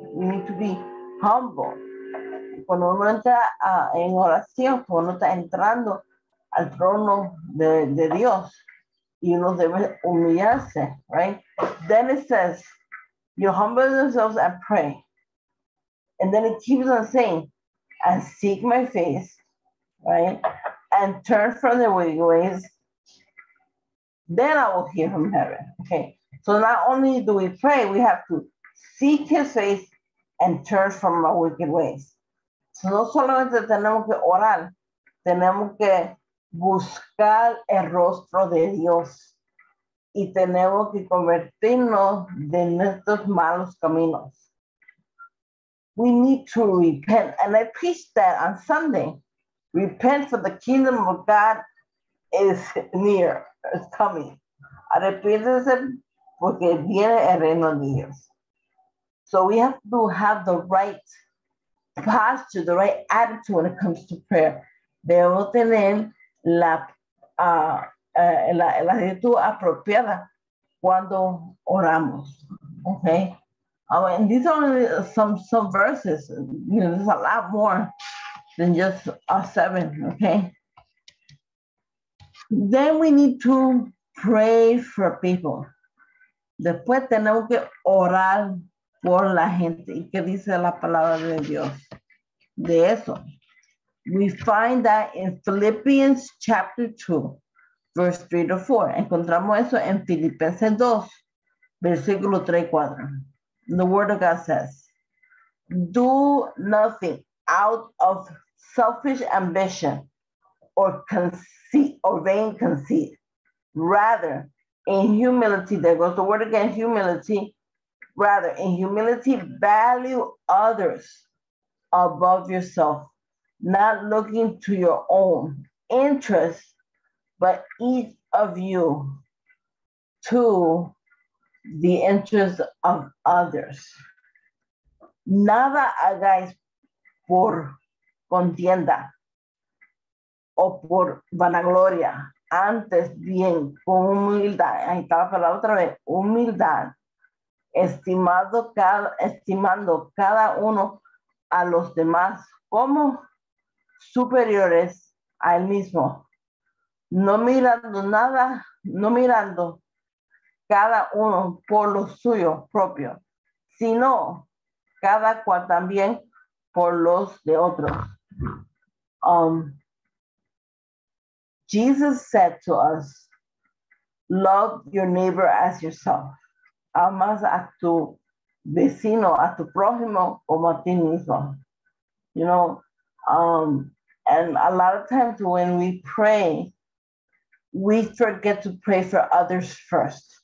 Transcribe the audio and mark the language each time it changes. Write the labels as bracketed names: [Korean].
[English] We need to be humble. [Spanish] Cuando uno entra en oración, cuando uno está entrando al trono de Dios, y uno debe humillarse, right? [English] Then it says, you humble yourselves and pray. And then it keeps on saying, and seek my face, right? And turn from the wicked ways. Then I will hear from heaven, okay? So not only do we pray, we have to seek his face and turn from our wicked ways. [Spanish] So no solamente tenemos que orar, tenemos que buscar el rostro de Dios y tenemos que convertirnos de nuestros malos caminos. [English] We need to repent. And I preached that on Sunday. Repent, for the kingdom of God is near. It's coming. [Spanish] Arrepiéntese porque viene el reino de Dios. [English] So we have to have the right posture, the right attitude when it comes to prayer. [Spanish] Debo tener la actitud apropiada cuando oramos, okay? [English] And these are only some verses. You know, there's a lot more than just seven, okay? Then we need to pray for people. [Spanish] Después tenemos que orar por la gente. ¿Y qué dice la palabra de Dios de eso? [English] We find that in Philippians chapter 2, verse 3 to 4. [Spanish] Encontramos eso en Filipenses 2, versículo 3 y 4. [English] The word of God says, do nothing out of selfish ambition or conceit or vain conceit. Rather, in humility, there goes the word again, humility, Rather, in humility, value others above yourself, not looking to your own interests, but each of you to the interests of others. [Spanish] Nada hagáis por contienda o por vanagloria, antes bien con humildad. Ahí estaba para la otra vez, humildad. Estimando cada uno a los demás como superiores a él mismo. No mirando cada uno por lo suyo propio, sino cada cual también por los de otros. [English] Jesus said to us, love your neighbor as yourself. [Spanish] Amas a tu vecino, a tu prójimo, como a ti mismo. [English] You know, and a lot of times when we pray, we forget to pray for others first.